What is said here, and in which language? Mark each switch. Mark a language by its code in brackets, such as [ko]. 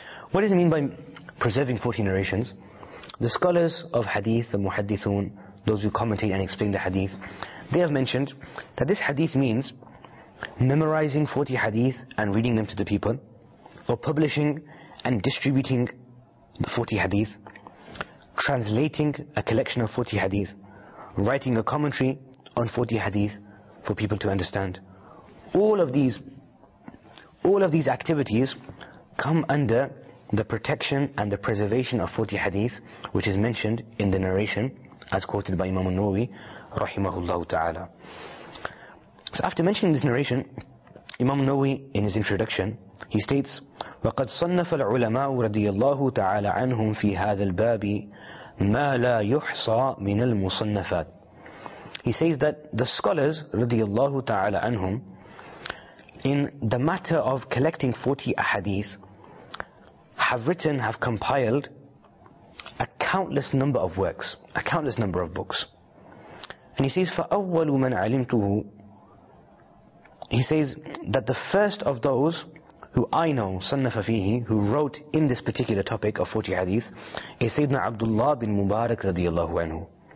[en] What does it mean by preserving 40 narrations? The scholars of hadith, the muhaddithun, those who commentate and explain the hadith, they have mentioned that this hadith means memorizing 40 hadith and reading them to the people, or publishing and distributing the 40 hadith, translating a collection of 40 hadith, writing a commentary on 40 hadith for people to understand. All of these activities come under the protection and the preservation of 40 hadith, which is mentioned in the narration as quoted by Imam al-Nawawi rahimahullah ta'ala. [ar] So after mentioning this narration, Imam al-Nawawi in his introduction, he states, وَقَدْ صَنَّفَ الْعُلَمَاءُ رَضِيَ اللَّهُ تَعَالَىٰ عَنْهُمْ فِي هَذَا الْبَابِ مَا لَا يُحْصَى مِنَ الْمُصَنَّفَاتِ. [en] He says that the scholars, radiyallahu ta'ala anhum, in the matter of collecting 40 ahadith, have compiled a countless number of works, a countless number of books. And he says, [ar] فَأَوَّلُ مَنْ عَلِمْتُهُ. [en] He says that the first of those who I know, [ar] صَنَّفَ فِيهِ, [en] who wrote in this particular topic of 40 hadith, is Sayyidina Abdullah bin Mubarak radiyallahu anhu.